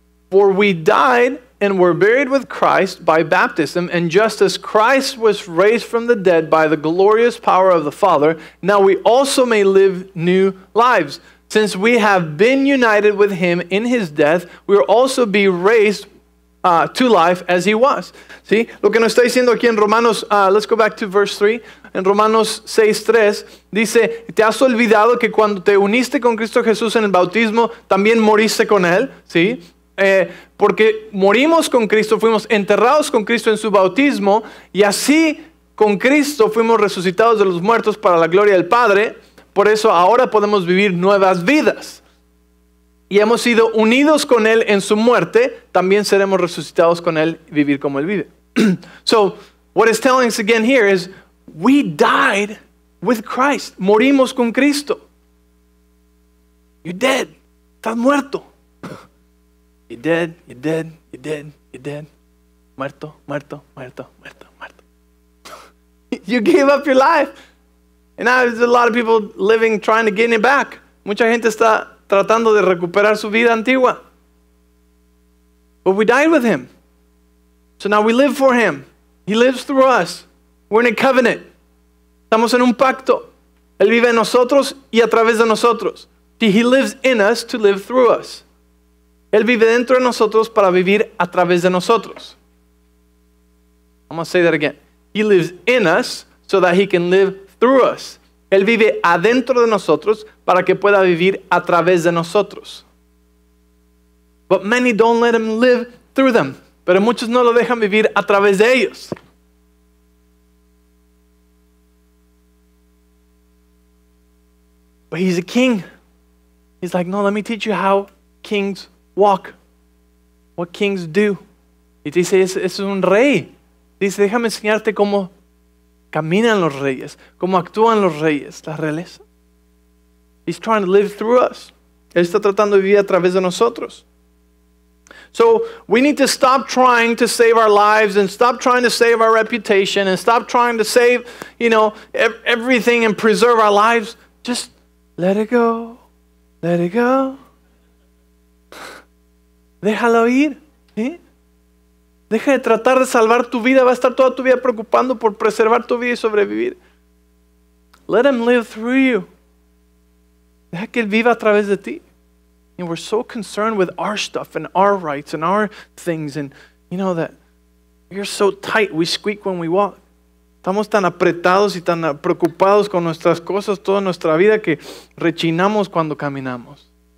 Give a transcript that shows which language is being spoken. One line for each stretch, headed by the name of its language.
English: For we died and were buried with Christ by baptism, and just as Christ was raised from the dead by the glorious power of the Father, now we also may live new lives. Since we have been united with him in his death, we will also be raised to life as he was.
Spanish: ¿Sí? Lo que nos está diciendo aquí en Romanos,
English: let's go back to verse 3.
Spanish: En Romanos 6, 3, dice, ¿te has olvidado que cuando te uniste con Cristo Jesús en el bautismo, también moriste con él? ¿Sí? Porque morimos con Cristo, fuimos enterrados con Cristo en su bautismo, y así con Cristo fuimos resucitados de los muertos para la gloria del Padre. Por eso ahora podemos vivir nuevas vidas. Y hemos sido unidos con él en su muerte, también seremos resucitados con él y vivir como él vive.
English: So, what it's telling us again here is, we died with Christ.
Spanish: Morimos con Cristo.
English: You're dead.
Spanish: Estás muerto.
English: You're dead, you're dead, you're dead, you're dead.
Spanish: Muerto, muerto, muerto, muerto, muerto.
English: You gave up your life. And now there's a lot of people living, trying to gain it back.
Spanish: Mucha gente está tratando de recuperar su vida antigua.
English: But we died with him. So now we live for him. He lives through us. We're in a covenant.
Spanish: Estamos en un pacto. Él vive en nosotros y a través de nosotros.
English: He lives in us to live through us.
Spanish: Él vive dentro de nosotros para vivir a través de nosotros.
English: I'm going to say that again. He lives in us so that he can live through us.
Spanish: Él vive adentro de nosotros para que pueda vivir a través de nosotros.
English: But many don't let him live through them.
Spanish: Pero muchos no lo dejan vivir a través de ellos.
English: But he's a king. He's like, no, let me teach you how kings walk. What kings do.
Spanish: Y dice, es un rey. Dice, déjame enseñarte cómo caminan los reyes, cómo actúan los reyes, la realeza.
English: He's trying to live through us.
Spanish: Él está tratando de vivir a través de nosotros.
English: So we need to stop trying to save our lives and stop trying to save our reputation and stop trying to save, you know, everything and preserve our lives. Just let it go. Let it go.
Spanish: Déjalo ir. ¿Sí? Deja de tratar de salvar tu vida. Va a estar toda tu vida preocupando por preservar tu vida y sobrevivir.
English: Let him live through you.
Spanish: Deja que él viva a través de ti.
English: And we're so concerned with our stuff and our rights and our things. And you know that we're so tight, we squeak when we walk.
Spanish: Estamos tan apretados y tan preocupados con nuestras cosas toda nuestra vida que rechinamos cuando caminamos.